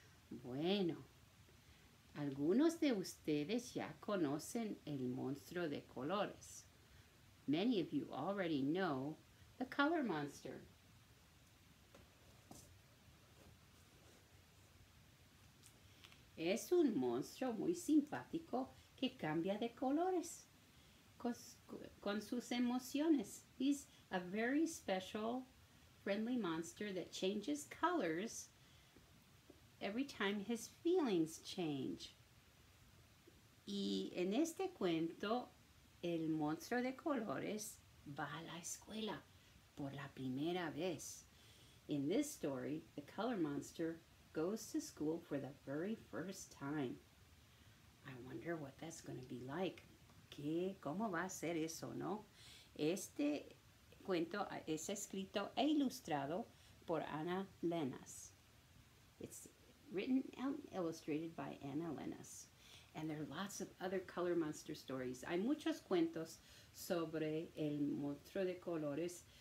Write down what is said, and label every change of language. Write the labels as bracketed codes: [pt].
[es] Bueno, algunos de ustedes ya conocen el monstruo de colores. [en] Many of you already know the color monster. [es] Es un monstruo muy simpático que cambia de colores con sus emociones. [en] He's a very special, friendly monster that changes colors every time his feelings change. [es] Y en este cuento, el monstruo de colores va a la escuela por la primera vez. [en] In this story, the color monster goes to school for the very first time. I wonder what that's going to be like. [es] ¿Qué? ¿Cómo va a ser eso, no? Este cuento es escrito e ilustrado por Ana Lenas. [en] It's written and illustrated by Ana Lenas. And there are lots of other color monster stories. [es] Hay muchos cuentos sobre el monstruo de colores.